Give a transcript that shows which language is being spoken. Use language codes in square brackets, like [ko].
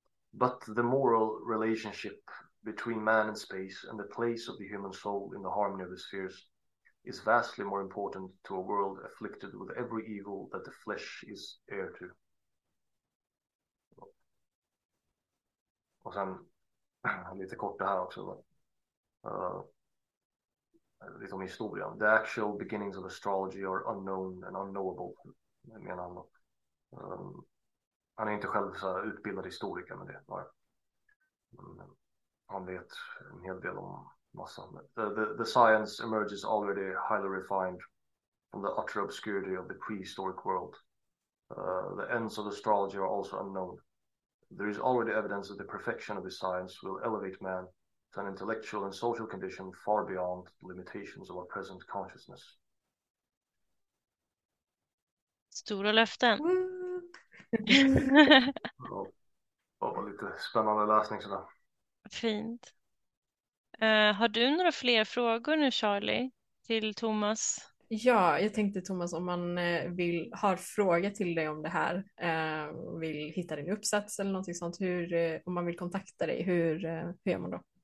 [en] But the moral relationship between man and space and the place of the human soul in the harmony of the spheres is vastly more important to a world afflicted with every evil that the flesh is heir to. [sv] Och sen lite kort det här också då. Lite om historien. [en] The actual beginnings of astrology are unknown and unknowable, [sv] menar han. Han är inte själv så här utbildad historiker med det. Bara. Men han vet en hel del om massa. [en] The science emerges already highly refined from the utter obscurity of the prehistoric world. The ends of astrology are also unknown. There is already evidence that the perfection of the science will elevate man to an intellectual and social condition far beyond the limitations of our present consciousness. [sv] Stora löften. Det var lite spännande läsning sådär. Fint. Har du några fler frågor nu, Charlie, till Thomas? Ja, jag tänkte Thomas, om man har fråga till dig om det här, vill hitta din uppsats eller någonting sånt, om man vill kontakta dig, hur gör man då?